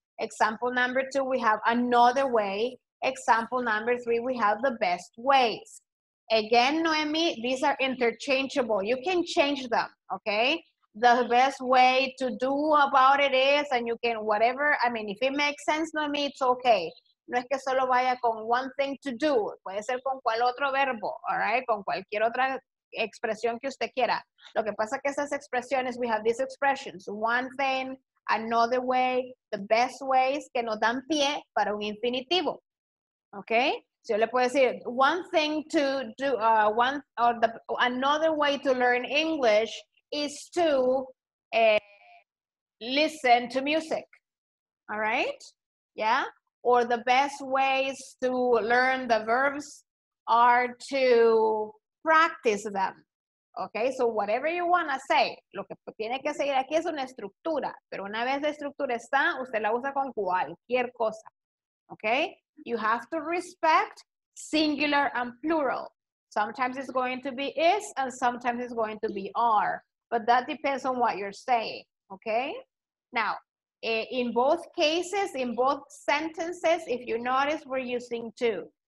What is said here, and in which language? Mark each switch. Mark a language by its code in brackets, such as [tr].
[en] Example number two, we have another way. Example number three, we have the best ways. Again, Noemi, these are interchangeable. You can change them, okay? The best way to do about it is, and you can whatever. I mean, if it makes sense, Noemi, it's okay. [es] No es que solo vaya con [en] one thing to do. [es] Puede ser con cual otro verbo, [en] all right? [es] Con cualquier otra expresión que usted quiera. Lo que pasa que esas expresiones, [en] we have these expressions. One thing, another way, the best ways, [es] que nos dan pie para un infinitivo. [en] Okay? So [es] yo le puedo decir, [en] one thing to do, one or the another way to learn English is to listen to music. All right? Yeah? Or the best ways to learn the verbs are to practice them. [es] Okay? [en] So whatever you want to say, [es] lo que tiene que seguir aquí es una estructura. Pero una vez la estructura está, usted la usa con cualquier cosa. [en] Okay? You have to respect singular and plural. Sometimes it's going to be is, and sometimes it's going to be are. But that depends on what you're saying. Okay? Now, in both cases, in both sentences, if you notice, we're using to.